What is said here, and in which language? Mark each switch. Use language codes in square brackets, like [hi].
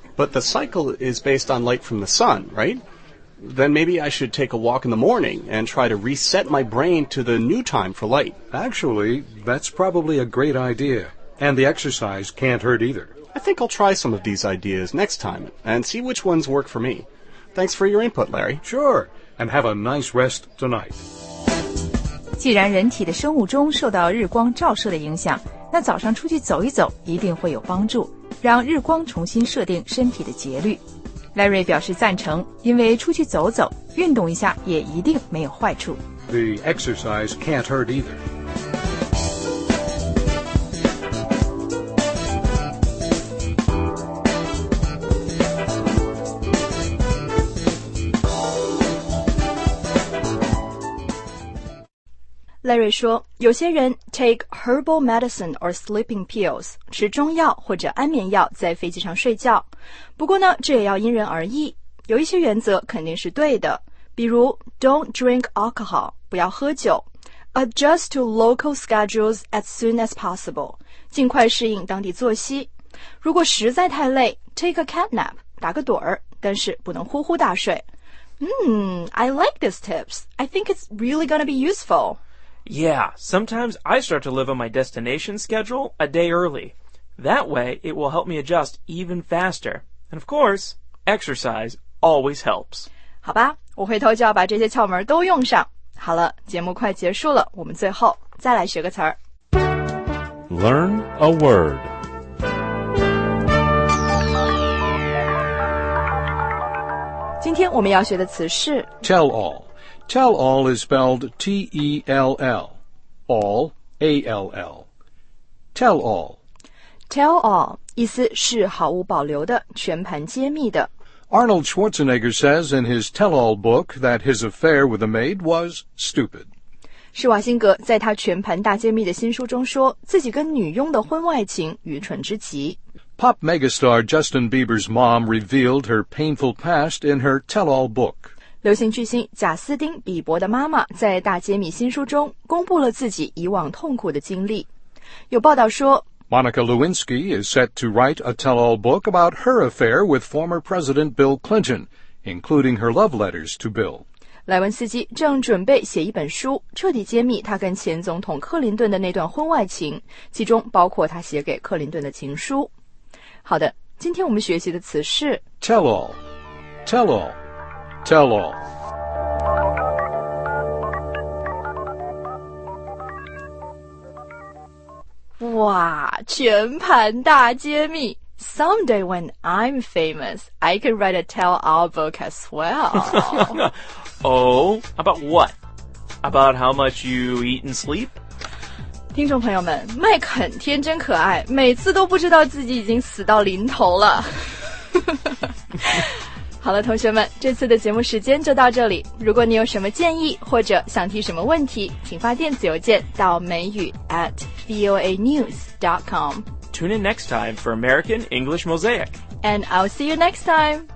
[en] But the cycle is based on light from the sun, right? Then maybe I should take a walk in the morning and try to reset my brain to the new time for light. Actually, that's probably a great idea. And the exercise can't hurt either. I think I'll try some of these ideas next time and see which ones work for me. Thanks for your input, Larry. Sure, and have a nice rest tonight. [zh] 既然人体的生物钟受到日光照射的影响，那早上出去走一走一定会有帮助，让日光重新设定身体的节律。 Larry 表示赞成，因为出去走走，运动一下也一定没有坏处。 [en] The exercise can't hurt either. [zh] Larry 说，有些人 take herbal medicine or sleeping pills, 吃中药或者安眠药在飞机上睡觉。不过呢，这也要因人而异，有一些原则肯定是对的，比如 don't drink alcohol, 不要喝酒， adjust to local schedules as soon as possible, 尽快适应当地作息。如果实在太累， take a cat nap, 打个盹儿，但是不能呼呼大睡。 [en] I like these tips. I think it's really gonna be useful. Yeah, sometimes I start to live on my destination schedule a day early. That way, it will help me adjust even faster. And of course, exercise always helps. [zh] 好吧，我回头就要把这些窍门都用上。好了，节目快结束了，我们最后再来学个词儿。 [en] Learn a word. [zh] Today, 我们要学的词是 [en] Tell all. Tell all is spelled T-E-L-L, all, A-L-L. Tell all. [zh] Tell all, 意思是毫无保留的，全盘揭秘的。 [en] Arnold Schwarzenegger says in his tell-all book that his affair with a maid was stupid. [zh] 施瓦辛格在他全盘大揭秘的新书中说，自己跟女佣的婚外情愚蠢之极。 [en] Pop megastar Justin Bieber's mom revealed her painful past in her tell-all book. [zh] 流行巨星贾斯汀·比伯的妈妈在大揭秘新书中公布了自己以往痛苦的经历。有报道说 [en] ，Monica Lewinsky is set to write a tell-all book about her affair with former President Bill Clinton, including her love letters to Bill. [zh] 莱文斯基正准备写一本书，彻底揭秘他跟前总统克林顿的那段婚外情，其中包括他写给克林顿的情书。好的，今天我们学习的词是 [en] tell-all, tell-all. Tell all. [zh] 哇，全盘大揭秘。 [en] Someday when I'm famous, I can write a tell-all book as well. Oh, about what? About how much you eat and sleep? [zh] 听众朋友们，麦肯天真可爱，每次都不知道自己已经死到临头了。好了，同学们，这次的节目时间就到这里。如果你有什么建议或者想提什么问题，请发电子邮件到美语 @voanews.com. [en] Tune in next time for American English Mosaic. And I'll see you next time.